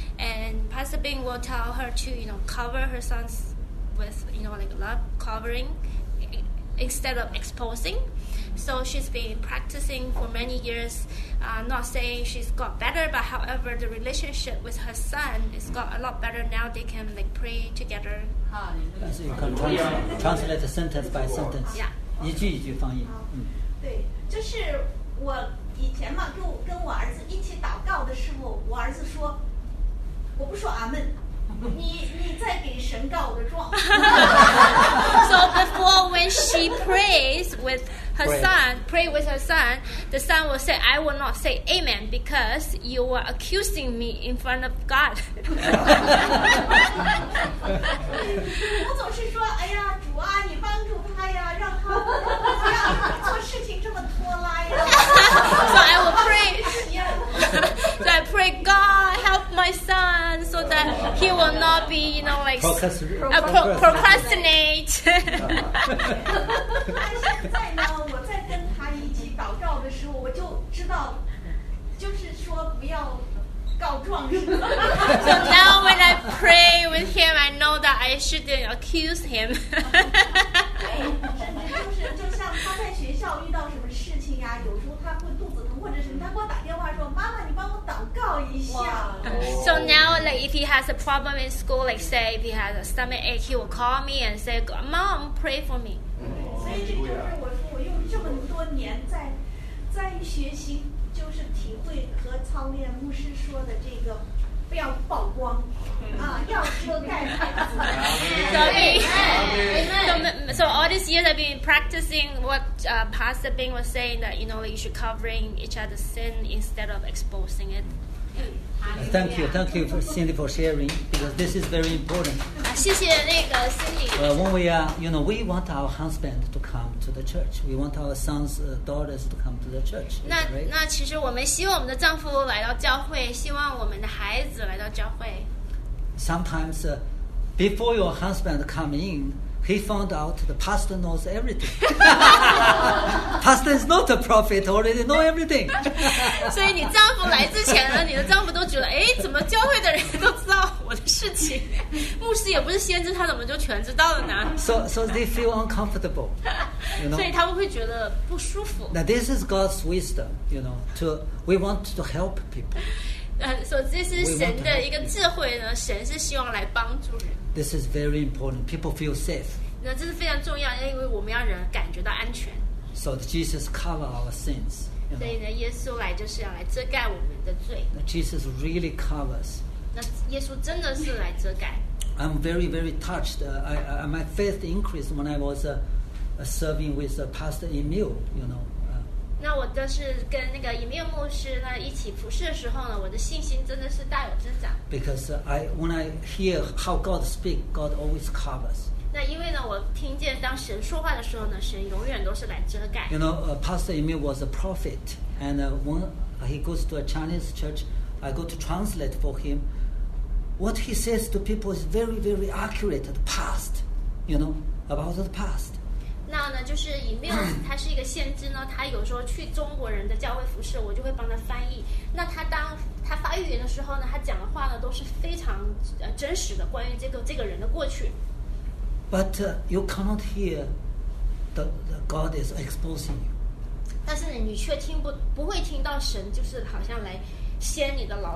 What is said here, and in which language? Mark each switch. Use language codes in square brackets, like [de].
[en] And Pastor Bing will tell her to, you know, cover her son's with, you know, like love covering instead of exposing. So she's been practicing for many years, not saying she's got better, but however, the relationship with her son has got a lot better now. They can like pray together. So you can translate a sentence by sentence. Yeah. [zh] 一句一句翻译。对，就是我以前嘛，跟我儿子一起祷告的时候，我儿子说，我不说阿门。你在给神告个状。 [en] So before when she prays with her son, pray with her son, the son will say, I will not say amen because you were accusing me in front of God. [zh] 我总是说，哎呀，主啊，你帮助他呀，让他不要做事情这么拖拉呀。 [en] So I will pray. So I pray, God, help my son so that he will not be, you know, like procrastinate. [zh] 现在呢，我在跟他一起祷告的时候，我就知道，就是说不要告状。 [en] So now when I pray with him, I know that I shouldn't accuse him. [zh] 对，甚至就是就像他在学校遇到什么事情呀，有时候他会肚子疼或者什么，他给我打电话说：“妈妈，你帮我祷告一下。 [en] Wow. ” So now, like if he has a problem in school, like say if he has a stomach ache, he will call me and say, "Mom, pray for me." [zh] 所以这就是我说，我用这么多年在学习，就是体会和操练牧师说的这个。 [en] So all these years I've been practicing what Pastor Bing was saying, that you know you should covering each other's sin instead of exposing it. Yeah. Thank you for Cindy for sharing, because this is very important. [zh] 谢谢那个 Cindy. [en] Well, when we are, you know, we want our husband to come to the church. We want our sons, daughters to come to the church. [zh] 那、 [en] right? [zh] 那其实我们希望我们的丈夫来到教会，希望我们的孩子来到教会。 [en] Sometimes, before your husband come in, he found out the pastor knows everything. Pastor is not a prophet, already know everything. [zh] 所以你丈夫来之前呢，你的丈夫都觉得，哎，怎么教会的人都知道我的事情？牧师也不是先知，他怎么就全知道了呢？ [en] So they feel uncomfortable, you know. [zh] 所以他们会觉得不舒服。 [en] Now this is God's wisdom, you know. We want to help people. So this is [zh] 神的一个智慧呢，神是希望来帮助人。 [en] This is very important. People feel safe. [zh] 那这是非常重要，因为我们要人感觉到安全。 [en] So Jesus cover our sins. [zh] 所以呢，耶稣来就是要来遮盖我们的罪。 [en] Jesus really covers. [zh] 那耶稣真的是来遮盖。 [en] I'm very, very touched. I my faith increased when I was serving with Pastor Emil. You know. [zh] 那我当时跟那个以面牧师呢一起服侍的时候呢，我的信心真的是大有增长。 [en] Because when I hear how God speaks, God always covers. [zh] 那因为呢，我听见当神说话的时候呢，神永远都是来遮盖。 [en] You know, Pastor Emil was a prophet, and when he goes to a Chinese church, I go to translate for him. What he says to people is very, very accurate. The past, you know, about the past. [zh] 那呢，就是以缪他是一个先知呢，他有时候去中国人的教会服侍，我就会帮他翻译。那他当他发预言的时候呢，他讲的话呢都是非常真实的，关于这个人的过去。 [en] But you cannot hear the God is exposing you. [zh] 但是呢你却听不会听到神就是好像来掀你的牢。